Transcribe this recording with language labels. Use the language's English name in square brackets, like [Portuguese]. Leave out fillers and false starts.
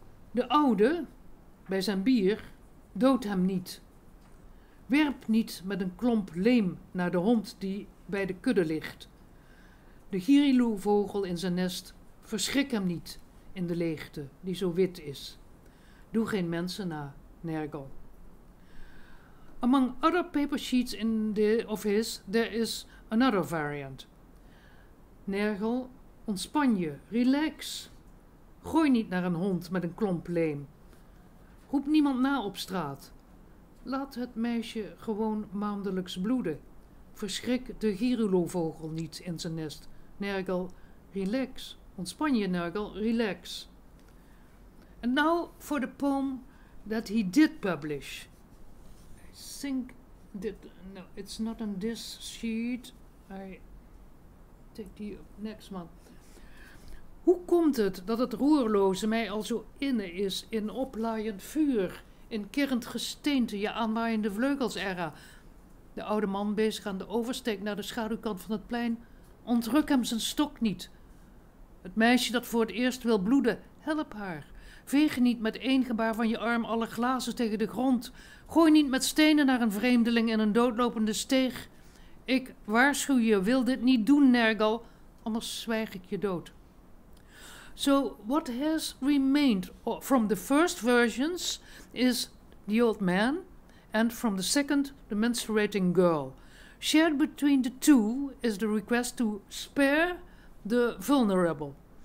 [Dutch] De oude, bij zijn bier, doodt hem niet. Werp niet met een klomp leem naar de hond die bij de kudde ligt. De giriloevogel in zijn nest, verschrik hem niet in de leegte die zo wit is. Doe geen mensen na, Nergal. [English] Among other paper sheets in the office, there is another variant. [Dutch] Nergal, ontspan je, relax. Gooi niet naar een hond met een klomp leem. Roep niemand na op straat. Laat het meisje gewoon maandelijks bloeden. Verschrik de Girulo-vogel niet in zijn nest. Nergal, relax. Ontspan je, Nergal, relax. [English] And now for the poem that he did publish. I think that, no, it's not on this sheet. I take the next one. [Dutch] Hoe komt het dat het roerloze mij al zo inne is in oplaaiend vuur, in kerrend gesteente, je aanwaaiende vleugels era? De oude man bezig aan de oversteek naar de schaduwkant van het plein, ontruk hem zijn stok niet. Het meisje dat voor het eerst wil bloeden, help haar. Veeg niet met één gebaar van je arm alle glazen tegen de grond. Gooi niet met stenen naar een vreemdeling in een doodlopende steeg. Ik waarschuw je, wil dit niet doen, Nergal, anders zwijg ik je dood. [English] So what has remained from the first versions is the old man and from the second the menstruating girl. Shared between the two is the request to spare the vulnerable.